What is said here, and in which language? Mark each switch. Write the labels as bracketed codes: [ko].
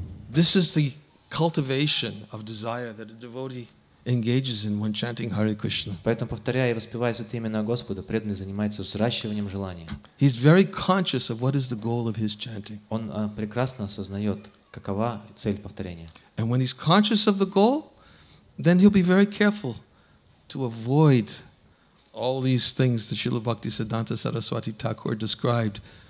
[en] This is the cultivation of desire that a devotee engages in when chanting Hare Krishna. [ru] Поэтому, повторяя и воспевая святое имя Господа, преданный занимается взращиванием желания. [en] He's very conscious of what is the goal of his chanting. [ru] Он прекрасно осознает, какова цель повторения. [en] And when he's conscious of the goal, then he'll be very careful to avoid all these things that Srila Bhaktisiddhanta Saraswati Thakur described.